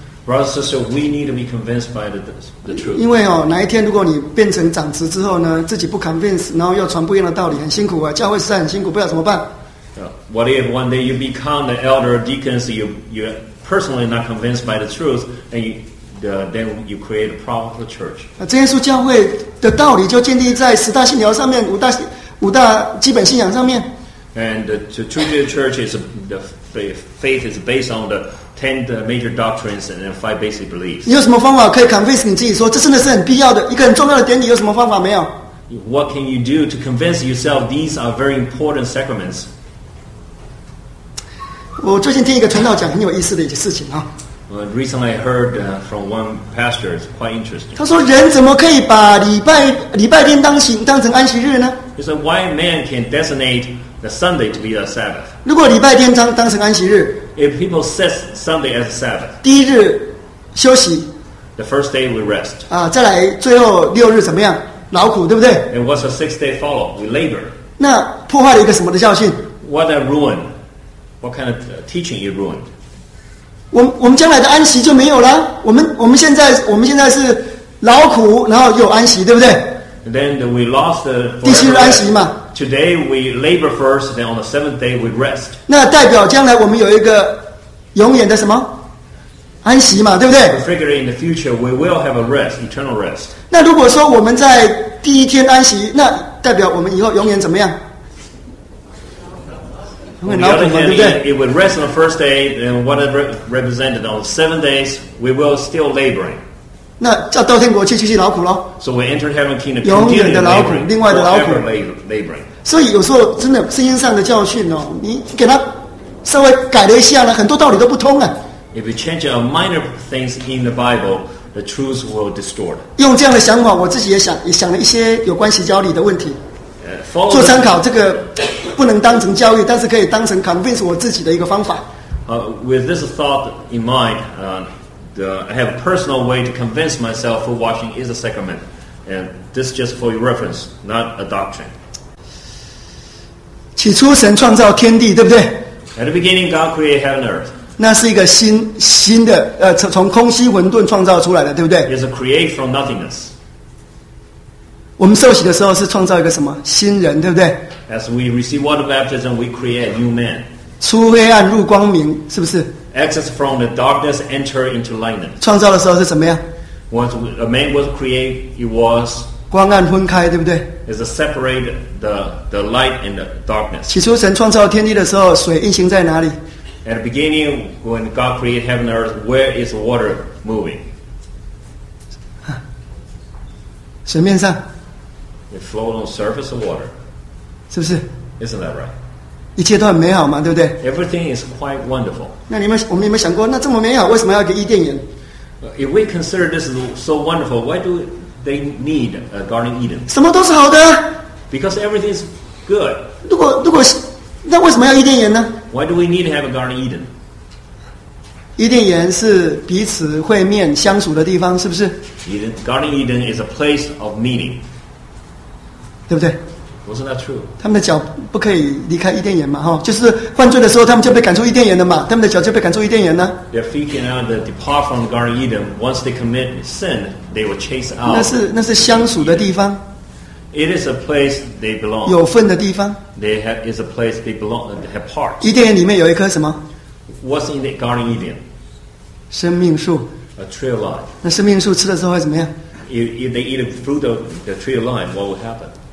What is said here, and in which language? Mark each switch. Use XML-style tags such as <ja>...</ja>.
<en>Brothers and sisters, we need to be convinced by the truth.</en> <zh>因为哦，哪一天如果你变成长子之后呢，自己不 convince， 然后又传不一样的道理，很辛苦啊。教会实在很辛苦，不知道怎么办。</zh> <en>What if one day you become the elder or deacons, you personally not convinced by the truth, and then you create a problem for the church?</en> <zh>耶稣教会的道理就建立在十大信条上面，五大基本信仰上面。</zh> <en>And the truth of the church is the faith is based on the ten major doctrines and five basic beliefs.</en> <zh>你有什么方法可以 convince 你自己说这真的是很必要的一个很重要的典礼？有什么方法没有？</zh> <en>What can you do to convince yourself these are very important sacraments?</en> <zh>我最近听一个传道讲很有意思的一件事情啊。</zh> <en>Recently, I heard from one pastor. It's quite interesting.</en> <zh>他说人怎么可以把礼拜天当成安息日呢？</zh> <en>He said, why man can designate the Sunday to be a Sabbath?</en> <zh>如果礼拜天当成安息日，</zh> <en>if people set Sunday as a Sabbath,</en> <zh>第一日休息，</zh> <en>the first day we rest.</en> <zh>啊，再来最后六日怎么样？劳苦，对不对？</zh> <en>And what's the sixth day follow? We labor.</en> <zh>那破坏了一个什么的教训？</zh> <en>What a ruin! What kind of teaching you ruined?</en> <zh>我们将来的安息就没有了。我们现在是劳苦，然后有安息，对不对？</zh> <en>Then we lost the</en> <zh>第七日安息嘛。</zh> <en>Today we labor first, then on the seventh day we rest.</en> <zh>那代表将来我们有一个永远的什么安息嘛，对不对？</zh> <en>We figure in the future we will have a rest, eternal rest.</en> <zh>那如果说我们在第一天安息，那代表我们以后永远怎么样？</zh> <en>On the other hand, it would rest on the first day, and whatever represented on 7 days, we will still laboring.</en> <zh>那要到天国去继续劳苦咯。</zh> <en>So we enter heaven kingdom,</en> <zh>永远的劳苦，另外的劳苦</zh> <en>laboring.</en> <zh>所以有时候真的圣经上的教训哦，你给他稍微改了一下呢，很多道理都不通啊。</zh> <en>If you change a minor things in the Bible, the truth will distort.</en> <zh>用这样的想法，我自己也想了一些有关系教理的问题。做参考，这个不能当成教育，但是可以当成 convince 我自己的一个方法。</zh> <en>With this thought in mind, I have a personal way to convince myself food washing is a sacrament, and this just for your reference, not a doctrine.</en> <zh>起初神创造天地，对不对？</zh> <en>At the beginning, God created heaven and earth.</en> <zh>那是一个新的从空虚混沌创造出来的，对不对？</zh> <en>It's a create from nothingness.</en> <zh>我们受洗的时候是创造一个什么新人，对不对？</zh> <en>As we receive water baptism, we create a new man.</en> <zh>出黑暗入光明，是不是？</zh> <en>Access from the darkness, enter into lightness.</en> <zh>创造的时候是怎么样？</zh> <en>Once a man was created, it was</en> <zh>光暗分开，对不对？</zh> <en>It's a separate the light and the darkness.</en> <zh>起初神创造天地的时候，水运行在哪里？</zh> <en>At the beginning, when God created heaven and earth, where is water moving?</en> <zh>水面上</zh> <en>，it flows on surface of water，</en> <zh>是不是</zh> <en>？Isn't that right？</en> <zh>一切都很美好嘛，对不对</zh> <en>？Everything is quite wonderful。</en> <zh>那你们，我们有没有想过，那这么美好，为什么要一个伊甸园</zh> <en>？If we consider this so wonderful, why do they need a Garden Eden？</en> <zh>什么都是好的</zh> <en>，because everything is good。</en> <zh>如果那为什么要伊甸园呢</zh> <en>？Why do we need to have a Garden Eden？</en> <zh>伊甸园是彼此会面相处的地方，是不是？</zh> <en>Garden Eden is a place of meeting，</en> <zh>对不对</zh> <en>？Wasn't that true？</en> <zh>他们的脚不可以离开伊甸园嘛？哈，就是犯罪的时候，他们就被赶出伊甸园了嘛？他们的脚就被赶出伊甸园了。</zh> <en>Their feet cannot depart from Garden Eden. Once they commit sin, they will chase out.</en> <zh>那是相属的地方。</zh> <en>It is a place they belong.</en> <zh>有份的地方。</zh> <en>They have is a place they belong. They have part.</en> <zh>伊甸园里面有一棵什么</zh> <en>？What's in the Garden Eden？</en> <zh>生命树。</zh> <en>A tree of life.</en> <zh>那生命树吃了之后会怎么样</zh> <en>？If they eat the fruit of the tree of life, what will happen？</en>